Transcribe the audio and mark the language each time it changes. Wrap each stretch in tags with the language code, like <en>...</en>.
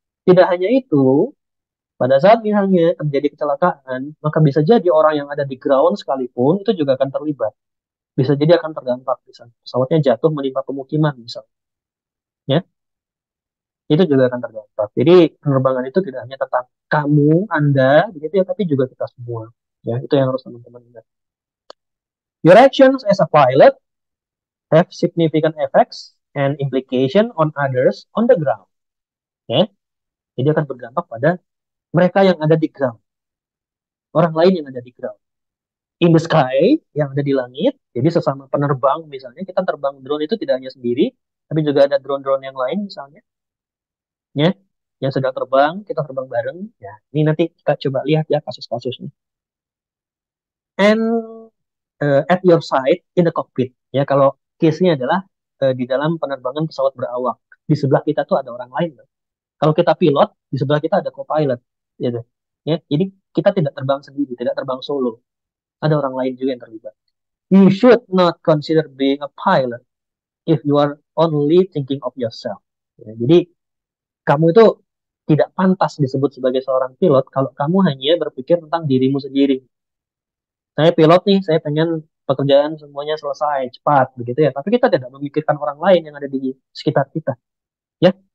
<id>Tidak hanya itu, pada saat misalnya terjadi kecelakaan, maka bisa jadi orang yang ada di ground sekalipun itu juga akan terlibat. Bisa jadi akan terdampak, bisa pesawatnya jatuh menimpa pemukiman misalnya. Ya. Itu juga akan terdampak. Jadi penerbangan itu tidak hanya tentang kamu, Anda, begitu ya, tapi juga kita semua. Ya, itu yang harus teman-teman ingat.</id> <en>Your actions as a pilot have significant effects and implication on others on the ground.</en> <id>Ya. Jadi akan berdampak pada mereka yang ada di ground. Orang lain yang ada di ground.</id> <en>In the sky,</en> <id>yang ada di langit. Jadi sesama penerbang misalnya, kita terbang drone itu tidak hanya sendiri, tapi juga ada drone-drone yang lain misalnya. Ya, yang sedang terbang, kita terbang bareng. Ya, ini nanti kita coba lihat ya kasus-kasusnya.</id> <en>And at your side in the cockpit.</en> <id>Ya, kalau case-nya adalah di dalam penerbangan pesawat berawak. Di sebelah kita tuh ada orang lain. Kalau kita pilot, di sebelah kita ada co-pilot. Gitu. Ya, jadi kita tidak terbang sendiri, tidak terbang solo. Ada orang lain juga yang terlibat.</id> <en>You should not consider being a pilot if you are only thinking of yourself.</en> <id>Ya, jadi kamu itu tidak pantas disebut sebagai seorang pilot kalau kamu hanya berpikir tentang dirimu sendiri. Saya pilot nih, saya pengen pekerjaan semuanya selesai cepat begitu ya. Tapi kita tidak memikirkan orang lain yang ada di sekitar kita. Ya.</id>